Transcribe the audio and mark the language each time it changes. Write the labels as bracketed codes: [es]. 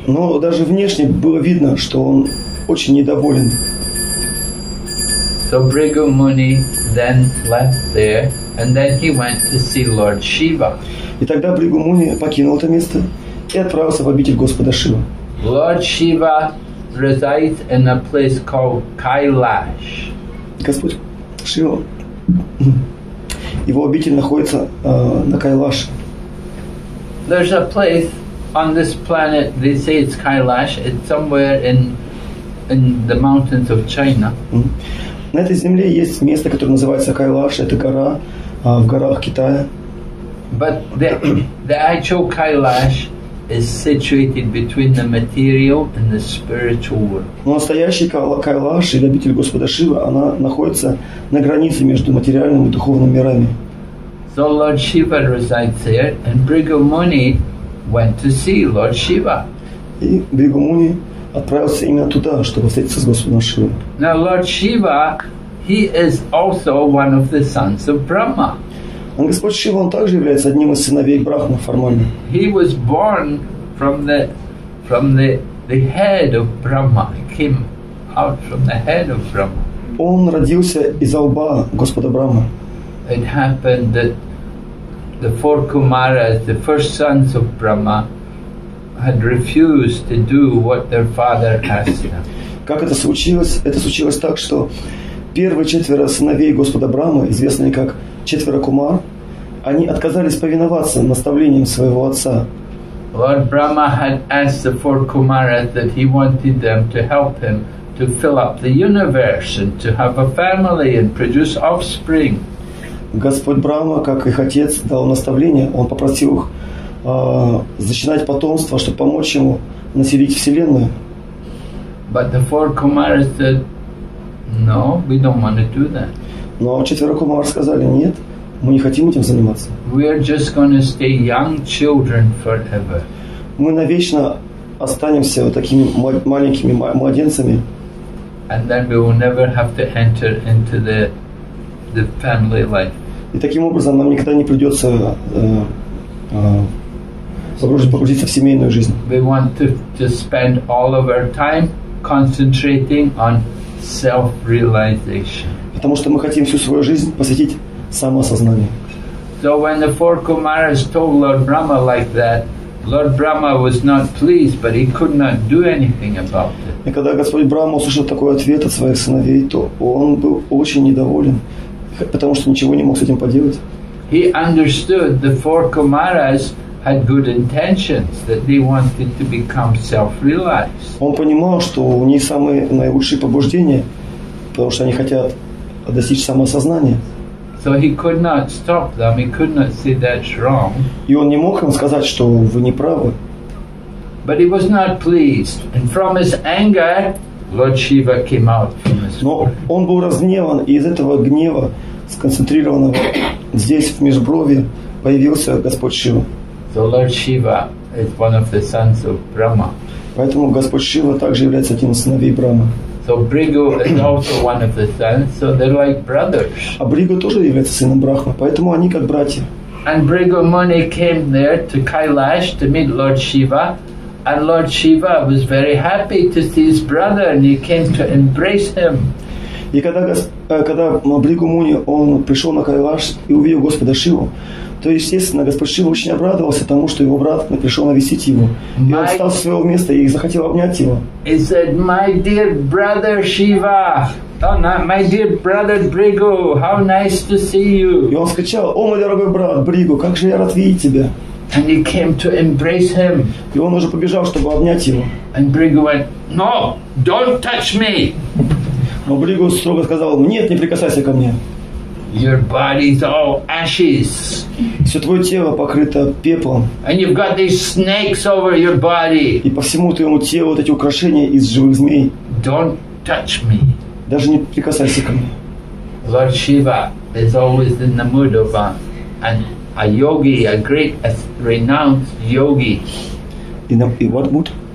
[ru] Но даже внешне было видно, что он очень недоволен. [en] So Bhrigu Muni then left there, and then he went to see Lord Shiva. [ru] И тогда Бригу Муни покинул это место и отправился в обитель Господа Шива. [en] Lord Shiva resides in a place called Kailash. [ru] Господь Шива, его обитель находится на Кайлаш. [en] There's a place on this planet, they say it's Kailash, it's somewhere in the mountains of China. [ru] На этой земле есть место, которое называется Кайлаш, это гора, в горах Китая. [en] But the actual Kailash is situated between the material and the spiritual world. [ru] Но настоящий Кайлаш, или обитель Господа Шивы, она находится на границе между материальным и духовным мирами. [en] So Lord Shiva resides there, and Bhrigu Muni went to see Lord Shiva. [ru] И Бригу Муни отправился именно туда, чтобы встретиться с Господом Шивой. [en] Now Lord Shiva, he is also one of the sons of Brahma. [ru] Он, Господь Шива, он также является одним из сыновей Брахмы формально. [en] He was born from the head of Brahma. He came out from the head of Brahma. [ru] Он родился из лба Господа Брахмы. [en] It happened that the four Kumaras, the first sons of Brahma, had refused to do what their father asked them. [ru] Как это случилось? Это случилось так, что первые четверо сыновей Господа Брахмы, известные как четверо кумар, они отказались повиноваться наставлениям своего отца. [en] Lord Brahma had asked the four kumaras that he wanted them to help him to fill up the universe and to have a family and produce offspring. [ru] Господь Брахма, как их отец, дал наставление. Он попросил их зачинать потомство, чтобы помочь ему населить вселенную. [en] But the four kumaras said, no, we don't want to do that. [ru] Но четверо кумар сказали, нет, мы не хотим этим заниматься. [en] We are just gonna stay young children forever. [ru] Мы навечно останемся вот такими маленькими младенцами. [en] And then we will never have to enter into the family life. [ru] И таким образом нам никогда не придется погрузиться в семейную жизнь. [en] We want to spend all of our time concentrating on self-realization. [ru] Потому что мы хотим всю свою жизнь посвятить самоосознанию. [en] So when the four Kumaras told Lord Brahma like that, Lord Brahma was not pleased, but he could not do anything about it. [ru] И когда Господь Брахма услышал такой ответ от своих сыновей, то он был очень недоволен, потому что ничего не мог с этим поделать. [en] He understood the four Kumaras had good intentions, that they wanted to become self-realized. [ru] Он понимал, что у них самые наилучшие побуждения, потому что они хотят достичь самосознания. [en] So he could not stop them. He could not say that's wrong. [ru] И он не мог им сказать, что вы не правы. [en] But he was not pleased, and from his anger, Lord Shiva came out from his. [ru] Но он был разгневан, и из этого гнева, сконцентрированного здесь в межброви, появился Господь Шива. [en] So Lord Shiva is one of the sons of Brahma. [ru] Поэтому Господь Шива также является одним из сыновей Брахмы. [en] So Bhrigu is also one of the sons, so they're like brothers. [ru] А Бригу тоже является сыном Брахмы, поэтому они как братья. [en] And Bhrigu Muni came there to Kailash to meet Lord Shiva. And Lord Shiva was very happy to see his brother, and he came to embrace him. [ru] И когда Бригу Муни он пришел на Кайлаш и увидел Господа Шиву, то естественно Господь Шива очень обрадовался тому, что его брат пришел навестить его, и он встал со своего места и захотел обнять его. [en] He said, "My dear brother Shiva, my dear brother Bhrigu, how nice to see you." [ru] И он вскричал: "О мой дорогой брат Бригу, как же я рад видеть тебя!" [en] And he came to embrace him. [ru] И он уже побежал, чтобы обнять его. [en] And Bhrigu went, "No, don't touch me." [ru] Но Бригу строго сказал ему: "Нет, не прикасайся ко мне." [en] Your body is all ashes. [ru] Все твое тело покрыто пеплом. [en] And you've got these snakes over your body. [ru] И по всему твоему телу вот эти украшения из живых змей. [en] Don't touch me. [ru] Даже не прикасайся ко мне. [en] Lord Shiva is always in the mood of a yogi, a great, a renowned yogi. In what mood?